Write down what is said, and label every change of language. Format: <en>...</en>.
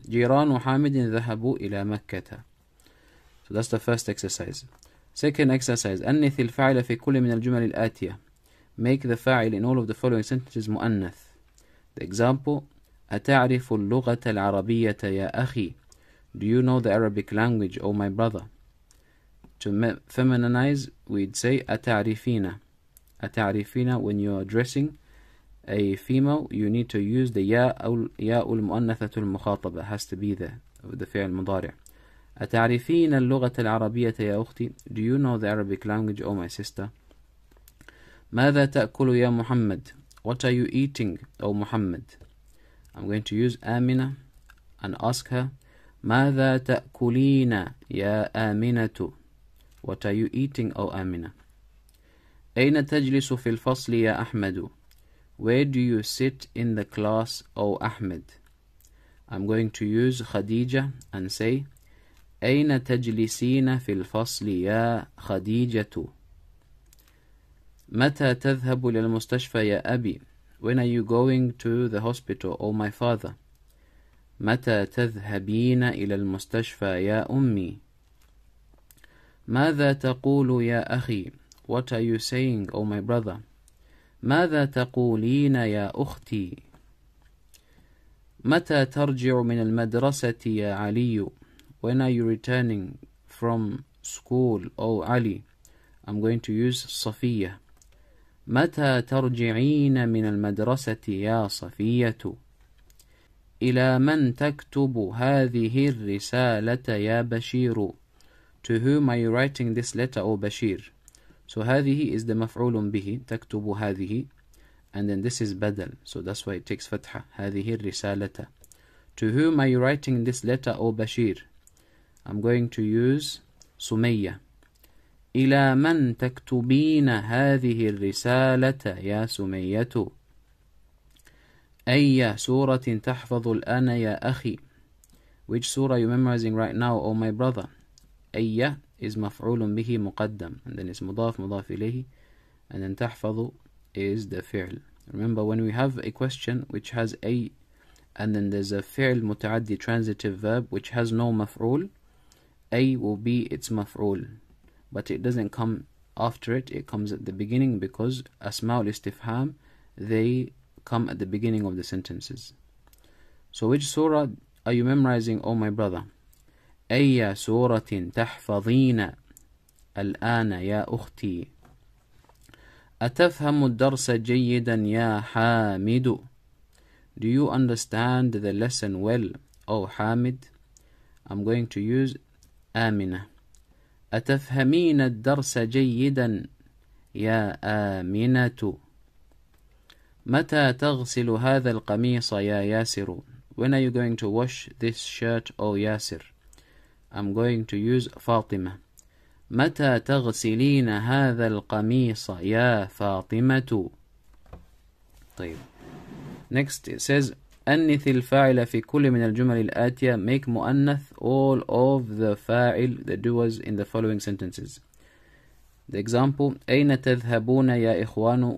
<ar>جيران حامد ذهبوا إلى مكة.</ar> <en>So that's the first exercise. Second exercise.</en> <ar>أنث الفاعل في كل من الجمل الآتية.</ar> <en>Make the فاعل in all of the following sentences مؤنث. The example,</en> <ar>أتعرف اللغة العربية يا أخي?</ar> <en>Do you know the Arabic language, O my brother? To feminize, we'd say أتعرفين. أتعرفين, when you're addressing a female, you need to use the ياء المؤنثة المخاطبة. Has to be the فعل المضارع.</en> <ar>أتعرفين اللغة العربية يا أختي?</ar> <en>Do you know the Arabic language, O my sister?</en> <ar>ماذا تأكل يا محمد?</ar> <en>What are you eating, O Muhammad? I'm going to use آمنة and ask her,</en> <ar>ماذا تأكلين يا آمنة?</ar> <en>What are you eating, O Amina?</en> <ar>أين تجلس في الفصل يا أحمد?</ar> <en>Where do you sit in the class, O Ahmed? I'm going to use Khadija and say,</en> <ar>أين تجلسين في الفصل يا خديجة? متى تذهب للمستشفى يا أبي?</ar> <en>When are you going to the hospital, O my father?</en> <ar>متى تذهبين إلى المستشفى يا أمي? ماذا تقول يا أخي?</ar> <en>What are you saying, O my brother?</en> <ar>ماذا تقولين يا أختي? متى ترجع من المدرسة يا علي?</ar> <en>When are you returning from school, O Ali? I'm going to use صفية.</en> <ar>متى ترجعين من المدرسة يا صفية? إلى من تكتب هذه الرسالة يا بشير?</ar> <en>To whom are you writing this letter, O Bashir? So هذه is the مفعول به, تكتب هذه. And then this is بدل, so that's why it takes فتحة, هذه الرسالة. To whom are you writing this letter, O Bashir? I'm going to use سمية.</en> <ar>إلى من تكتبين هذه الرسالة يا سمية? أي سورة تحفظ الآن يا أخي?</ar> <en>Which surah are you memorizing right now, O my brother? أي is مفعول به مقدم, and then it's مضاف مضاف إليه, and then تحفظ is the فعل. Remember, when we have a question which has أي, and then there's a فعل متعدي transitive verb which has no مفعول, أي will be its مفعول. But it doesn't come after it, it comes at the beginning, because asma al-istifham, they come at the beginning of the sentences. So which surah are you memorizing, O my brother?</en> <ar>أي سورة تحفظين الآن يا أختي? أتفهم الدرس جيدا يا حامد?</ar> <en>Do you understand the lesson well, O Hamid? I'm going to use آمنة.</en> <ar>أتفهمين الدرس جيدا يا آمنة? متى تغسل هذا القميص يا ياسر?</ar> <en>When are you going to wash this shirt, O ياسر? I'm going to use فاطمة.</en> <ar>متى تغسلين هذا القميص يا فاطمة? طيب.</ar> <en>Next it says,</en> <ar>أنث الفاعل في كل من الجمل الآتية.</ar> <en>Make مؤنث all of the فاعل, the doers in the following sentences. The example,</en> <ar>أين تذهبون يا إخوان?</ar>